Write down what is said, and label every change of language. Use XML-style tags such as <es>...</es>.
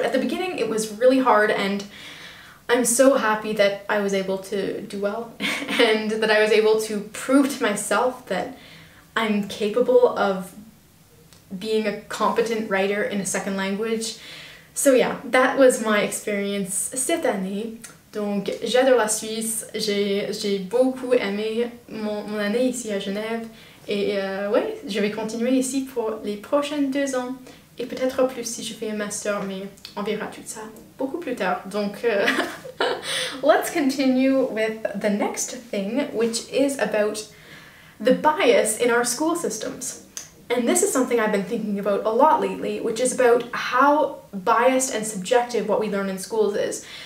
<en>But at the beginning, it was really hard, and I'm so happy that I was able to do well and that I was able to prove to myself that I'm capable of being a competent writer in a second language. So yeah, that was my experience</en> <fr>cette année. Donc j'adore la Suisse, j'ai beaucoup aimé mon année ici à Genève, et ouais, je vais continuer ici pour les prochaines 2 ans, et peut-être plus si je fais un master, mais on verra tout ça beaucoup plus tard. Donc</fr> <en>let's continue with the next thing, which is about the bias in our school systems. And this is something I've been thinking about a lot lately, which is about how biased and subjective what we learn in schools is.</en>